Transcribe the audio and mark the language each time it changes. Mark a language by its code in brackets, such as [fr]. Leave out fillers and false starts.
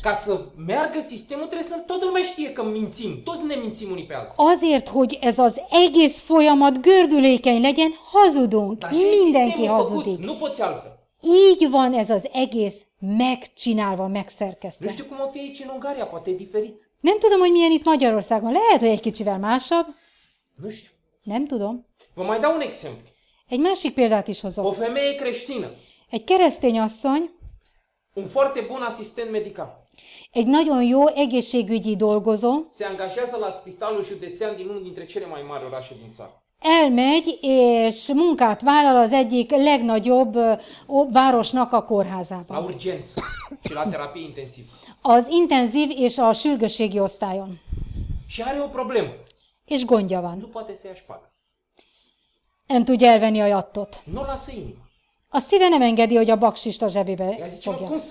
[ro] Ca să meargă sistemul, trebuie să toată lumea știe că mințim. Toți ne mințim unii pe alții. [hu] Azért, hogy ez az egész folyamat gördülékeny legyen, hazudunk. Mindenki hazudik. [ro] Nu poți altfel. [hu] Így van ez az egész megcsinálva, megszerkesztve. [ro] Nu știu cum o fie aici în Ungaria, poate e diferit. [hu] Nem tudom, hogy milyen itt Magyarországon. Lehet, hogy egy kicsivel másabb. [ro] Nu știu. [hu] Nem tudom. [ro] Vă mai dau un exemplu. [hu] Egy másik példát is hozok. [ro] O femeie creștină. [hu] Egy keresztény asszony. [ro] Un foarte bun asistent medical. [hu] Egy nagyon jó egészségügyi dolgozó. [ro] Se angajează la spitalul județean din unul dintre cele mai mari orașe din țară. [hu] Elmegy és munkát vállal az egyik legnagyobb városnak a kórházában. [ro] La urgență și la terapie intensivă. [hu] Az intenzív és a sürgősségi osztályon. [ro] Și are o problemă. [hu] És gondja van. [ro] Nu poate să ia șpagă. [hu] Nem tudja elvenni a jattot. [ro] Nu lasă inima. [hu] A szíve nem engedi, hogy a baksista zsebébe fogja.